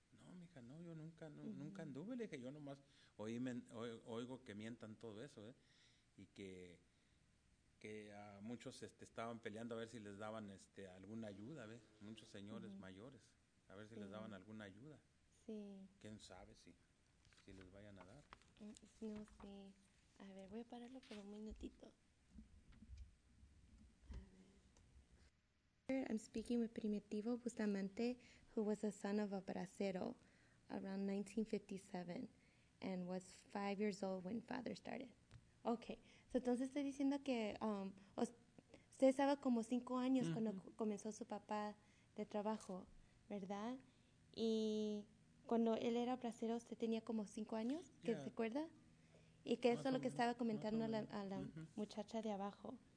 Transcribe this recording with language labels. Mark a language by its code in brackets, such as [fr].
[es] No, mija, no, yo nunca, no, uh-huh, nunca anduve. Le dije, yo nomás oigo que mientan todo eso, ¿eh? Y que a muchos estaban peleando a ver si les daban alguna ayuda, ¿ves? Muchos señores, uh-huh, mayores, a ver si, sí, les daban alguna ayuda. Sí. ¿Quién sabe si les vayan a dar? No sé. Sí. A ver, voy a pararlo por un minutito. A ver. [en] I'm speaking with Primitivo Bustamante, who was a son of a bracero around 1957 and was 5 years old when father started. Okay. [es] Entonces estoy diciendo que usted estaba como 5 años, uh-huh, cuando comenzó su papá de trabajo, ¿verdad? Y cuando él era bracero, usted tenía como 5 años, ¿que yeah, se acuerda? Y que eso es lo que estaba comentando a la uh-huh, muchacha de abajo.